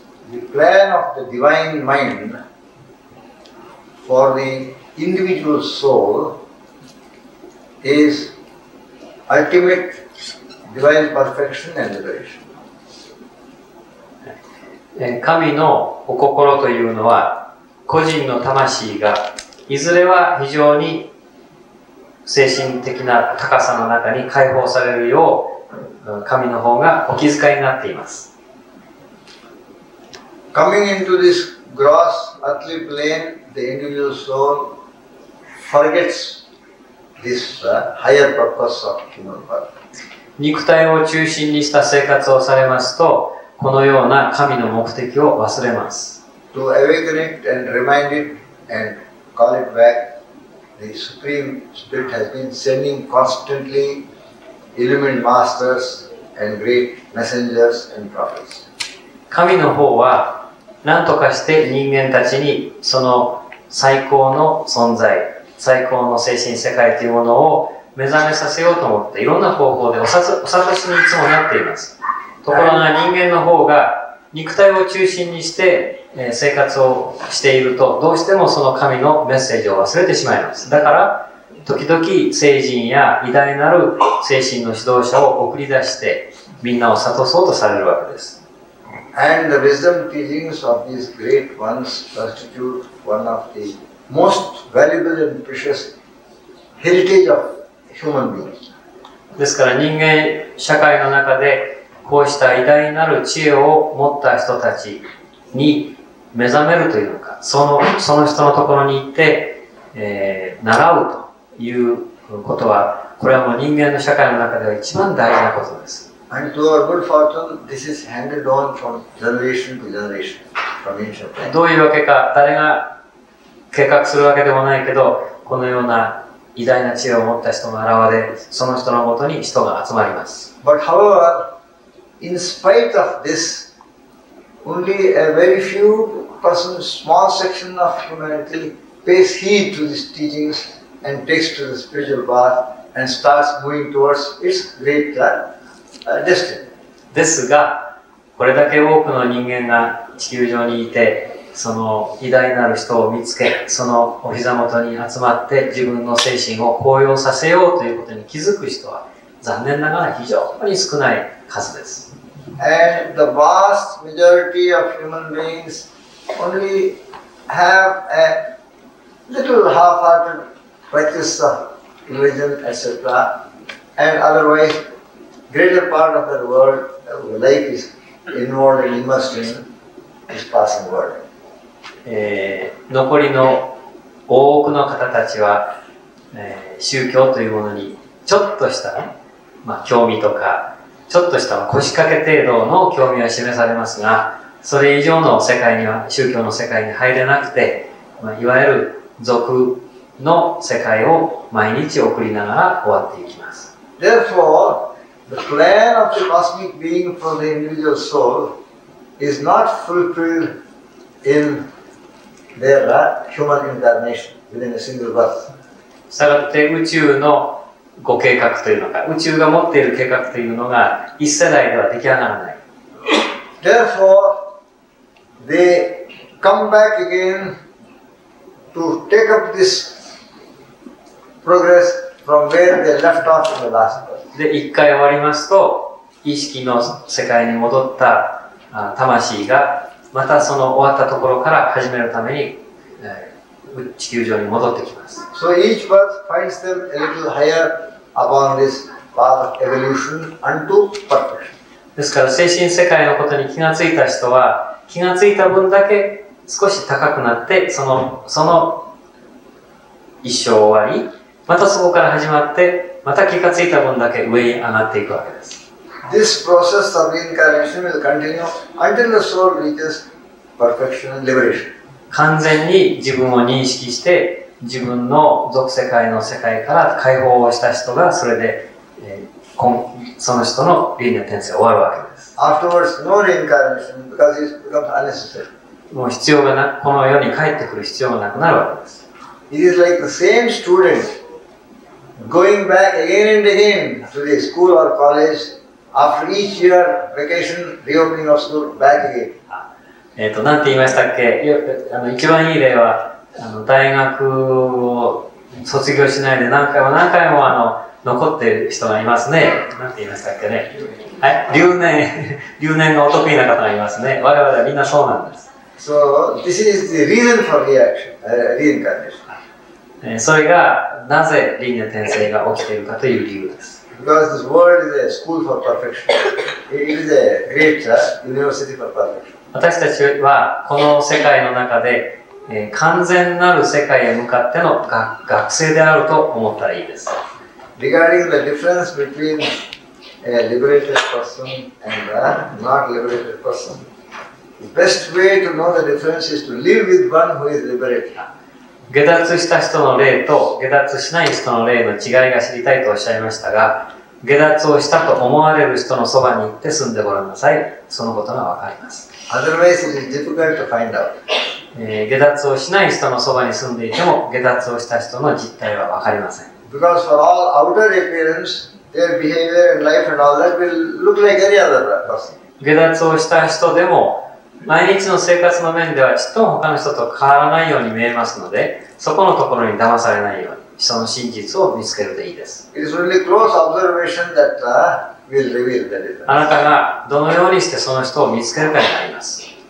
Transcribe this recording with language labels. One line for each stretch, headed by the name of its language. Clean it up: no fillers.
English: The plan of the divine mind for the individual soul is ultimate divine perfection and liberation.
Japanese: え、神のお心というのは個人の魂がいずれは非常に精神的な高さの中に解放されるよう神の方がお気遣いになっています。
English: Coming into this gross earthly plane, the individual soul forgets this higher purpose of human birth.
Japanese: 肉体を中心にした生活をされますと、このような神の目的を忘れます。
English: To awaken it and remind it and call it back, the Supreme Spirit has been sending constantly illumined masters and great messengers and prophets.
Japanese: 神の方は何とかして人間たちにその最高の存在、最高の精神世界というものを目覚めさせようと思って、いろんな方法でお察しにいつもなっています。ところが人間の方が肉体を中心にして生活をしていると、どうしてもその神のメッセージを忘れてしまいます。だから時々聖人や偉大なる精神の指導者を送り出してみんなを悟そうとされるわけです。
English: And the wisdom teachings of these great ones constitute one of the most valuable and precious heritage of human beings.
Japanese: ですから人間社会の中でこうした偉大なる知恵を持った人たちに目覚めるというか、その人のところに行って、習うということは、これはもう人間の社会の中では一番大事なことです。
English: And to our good fortune, this is handed on from generation to generation, from ancient times.
Japanese: どういうわけか、誰が計画するわけでもないけど、このような偉大な知恵を持った人の現れ、その人のもとに人が集まります。
English: But however,In spite of this, only a very few person, small section of humanity pays heed to these teachings and takes to the spiritual path and starts moving towards its great destiny.
Japanese: ですが、これだけ多くの人間が地球上にいて、その偉大なる人を見つけ、そのお膝元に集まって自分の精神を高揚させようということに気づく人は、残念ながら非常に少ない数です。
English: And the vast majority of human beings only have a little half-hearted practice of religion, etc. And otherwise, greater part of their world, life is involved and immersed in this passing world.
Japanese: 残りの多くの方たちは、宗教というものにちょっとした、まあ、興味とか、ちょっとした腰掛け程度の興味は示されますが、それ以上の世界には、宗教の世界に入れなくて、まあ、いわゆる俗の世界を毎日送りながら終わっていきます。
English: Therefore, the plan of the cosmic being for the individual soul is not fulfilled in their human incarnation within a single birth.
Japanese: したがって宇宙のご計画というのか、宇宙が持っている計画というのが一世代では出来上がらない。
English: Therefore, they come back again to take up this progress from where they left off in the last birth.
Japanese: で、一回終わりますと、意識の世界に戻った魂が、またその終わったところから始めるために、地球上に戻ってきます。
English: So each birth finds them a little higher. Upon this path of evolution unto perfection.
Japanese: ですから精神世界のことに気がついた人は、気がついた分だけ少し高くなって、その一生終わり、またそこから始まってまた気がついた分だけ上に上がっていくわけです。
English: This process of reincarnation will continue until the soul reaches perfection and liberation.
Japanese: 完全に自分を認識して自分の属世界の世界から解放をした人がそれで、その人の輪廻転生が終わるわけです。
English: Afterwards, no reincarnation because it becomes unnecessary.
Japanese: もう必要がなこの世に帰ってくる必要がなくなるわけです。
English: It is like the same student going back again and again to the school or college after each year vacation reopening of school back again.
Japanese: なんて言いましたっけ？一番いい例は大学を卒業しないで何回も何回も残っている人がいますね。なんて言いましたっけね。はい、留年がお得意な方がいますね。我々はみんなそうなんです。
English: So, this is the reason for reincarnation.
Japanese: それがなぜ輪廻転生が起きているかという理由です。
English: Because this world is a school for perfection. It is a great church, university for perfection.
Japanese: 私たちはこの世界の中で完全なる世界へ向かっての学生であると思ったらいいです。
English: Regarding the difference between a liberated person and a not liberated person, the best way to know the difference is to live with one who is liberated.
Japanese: 下脱した人の霊と下脱しない人の霊の違いが知りたいとおっしゃいましたが、下脱をしたと思われる人のそばに行って住んでごらんなさい。そのことがわかります。
English: Otherwise, it is difficult to find out.
Japanese: 下脱をしない人のそばに住んでいても、下脱をした人の実態はわかりません。
English: Because for all outer appearance, their behavior and life and all that will look like any other person.
Japanese: 下脱をした人でも、毎日の生活の面ではちっとも他の人と変わらないように見えますので、そこのところに騙されないように、人の真実を見つけるでいいです。
English: It is only close observation that, will reveal the difference.
Japanese: あなたがどのようにしてその人を見つけるかになります。